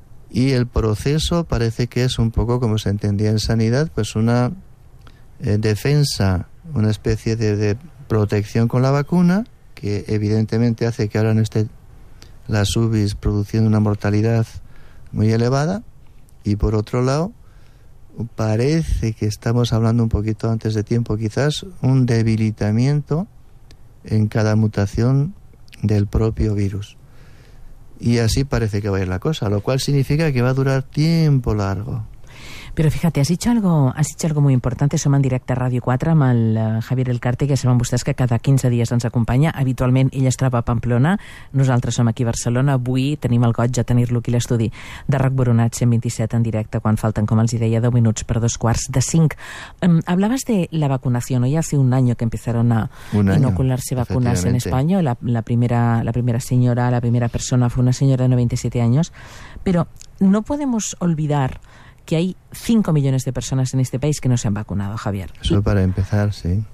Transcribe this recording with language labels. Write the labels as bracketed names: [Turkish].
[Spanish] y el proceso parece que es un poco como se entendía en sanidad, pues una defensa, una especie de protección con la vacuna, que evidentemente hace que ahora no esté la UBIs produciendo una mortalidad muy elevada, y por otro lado parece que estamos hablando un poquito antes de tiempo, quizás un debilitamiento en cada mutación del propio virus. Y así parece que va a ir la cosa, lo cual significa que va a durar tiempo largo. Pero fíjate, has dicho algo muy importante. [Catalan] Som en directe a Ràdio 4 amb el Javier Elcarte, que saben vostès que cada 15 dies ens acompanya. Habitualment ell es troba a Pamplona, nosaltres som aquí a Barcelona. Avui tenim el goig de tenir-lo aquí a l'estudi de RAC Boronat 127 en directe, quan falten, com els deia, 10 minuts per dos quarts de 5. [Spanish] Hablabas de la vacunació, no? Ja hace un año que empezaron a inocularse vacunas en España. La primera senyora, la primera persona fue una senyora de 97 años. Pero no podemos olvidar que hay 5 millones de personas en este país que no se han vacunado, Javier. Eso para empezar, sí.